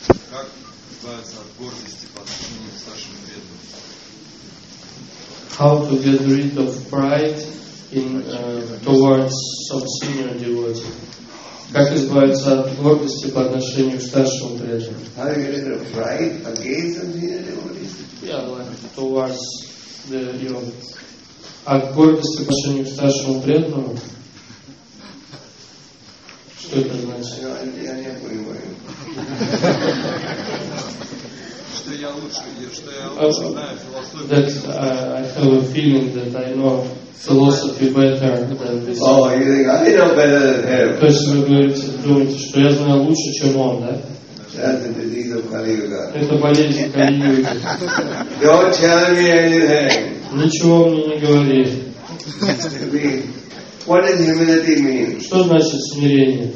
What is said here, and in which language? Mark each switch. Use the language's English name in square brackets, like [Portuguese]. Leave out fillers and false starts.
[Russian] Как избавиться от гордости по отношению к старшим преданным? [English] How to get rid of pride in towards some senior devotee? [Russian] Как избавиться от гордости по отношению к старшему преданному? [English] How to get rid of pride against some senior devotee? Yeah, like towards the young. [Russian] От гордости по отношению к старшему преданному? Что это значит? Я не понимаю. Что я лучше, что я лучше знаю философию. [English] I have a feeling that I know philosophy better than this. Oh, you think I know better than him? [Russian] То есть вы говорите, думаете, что я знаю лучше, чем он, да? Это болезнь Кали-юга. [English] Don't tell me anything. [Russian] Ничего мне не говори. [English] What does humility mean? [Russian] Что значит смирение?